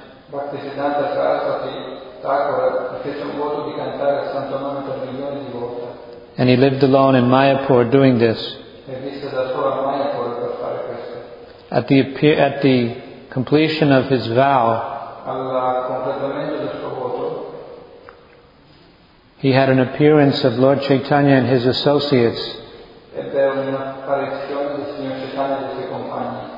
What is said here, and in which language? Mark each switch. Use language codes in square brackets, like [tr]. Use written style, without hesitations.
[it] Bhaktisiddhanta Saraswati Thakur fece un voto di cantare il santo nome per milioni di volte. [en] And he lived alone in Mayapur doing this. [it] E visse da solo a Mayapur per fare questo. [en] At the completion of his vow, [it] alla completamento del suo voto, [en] he had an appearance of Lord Chaitanya and his associates, [it] ebbe un'apparizione del signor Chaitanya e dei suoi compagni,